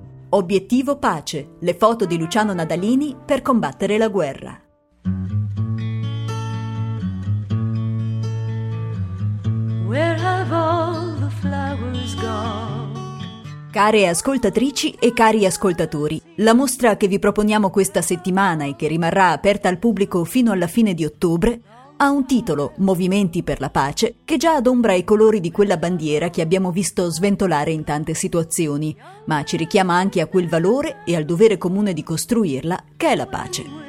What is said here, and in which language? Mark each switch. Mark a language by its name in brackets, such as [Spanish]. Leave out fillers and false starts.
[Italian] Obiettivo pace, le foto di Luciano Nadalini per combattere la guerra. [English] Where have all the flowers gone? [Italian] Care ascoltatrici e cari ascoltatori, la mostra che vi proponiamo questa settimana e che rimarrà aperta al pubblico fino alla fine di ottobre ha un titolo, Movimenti per la pace, che già adombra i colori di quella bandiera che abbiamo visto sventolare in tante situazioni, ma ci richiama anche a quel valore e al dovere comune di costruirla, che è la pace.